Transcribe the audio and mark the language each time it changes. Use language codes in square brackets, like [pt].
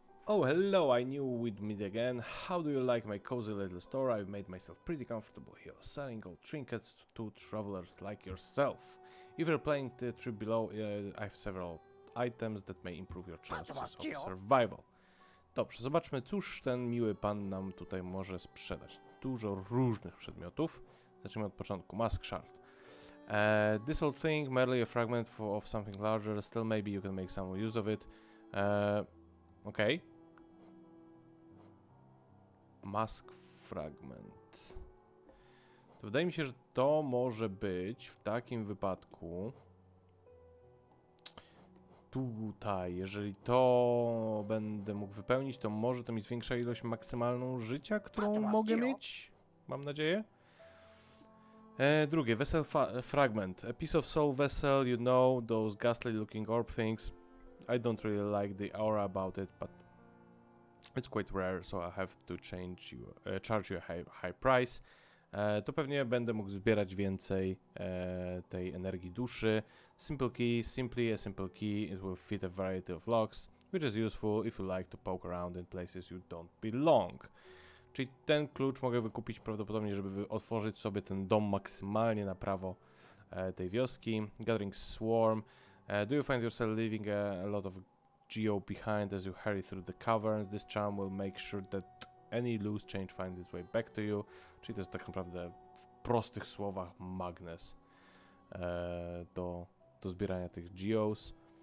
[en] Oh, hello, I knew we'd meet again. How do you like my cozy little store? I've made myself pretty comfortable here, selling old trinkets to travelers like yourself. If you're planning the trip below, I have several items that may improve your chances of survival. [pl] Dobrze, zobaczmy, cóż ten miły pan nam tutaj może sprzedać. Dużo różnych przedmiotów. Zacznijmy od początku. Mask shard. [en] This old thing, merely a fragment of something larger, still maybe you can make some use of it. [pl] Okej. Okay. [en] Mask fragment. [pl] To wydaje mi się, że to może być w takim wypadku tutaj, jeżeli to będę mógł wypełnić, to może to mi zwiększa ilość maksymalną życia, którą mogę mieć, mam nadzieję. Drugie, vessel fragment. [en] A piece of soul vessel, you know, those ghastly looking orb things. I don't really like the aura about it, but it's quite rare, so I have to charge you a high price. [pl] To pewnie będę mógł zbierać więcej tej energii duszy. [en] Simple key, simply a simple key. It will fit a variety of locks, which is useful if you like to poke around in places you don't belong. [pl] Czyli ten klucz mogę wykupić prawdopodobnie, żeby otworzyć sobie ten dom maksymalnie na prawo tej wioski. [en] Gathering swarm. Do you find yourself leaving a lot of geo behind as you hurry through the cavern? This charm will make sure that any loose change finds its way back to you. [pl] Czyli to jest tak naprawdę w prostych słowach magnes do zbierania tych geos.